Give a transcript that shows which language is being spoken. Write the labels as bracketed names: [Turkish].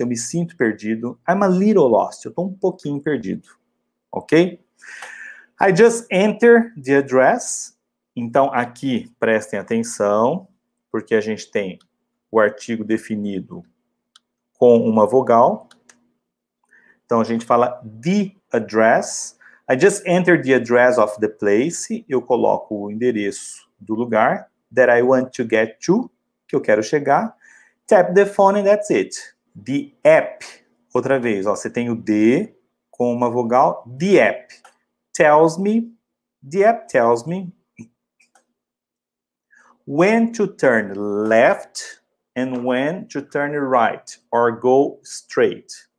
[Portuguese] Eu me sinto perdido. [English] I'm a little lost. [Portuguese] Eu estou um pouquinho perdido. Ok? [English] I just enter the address. [Portuguese] Então, aqui, prestem atenção, porque a gente tem o artigo definido com uma vogal. Então, a gente fala the address. [English] I just enter the address of the place. [Portuguese] Eu coloco o endereço do lugar [English] that I want to get to, [Portuguese] que eu quero chegar. [English] Tap the phone and that's it. The app. [Portuguese] Outra vez, ó, você tem o D com uma vogal. [English] The app tells me. The app tells me when to turn left and when to turn right or go straight.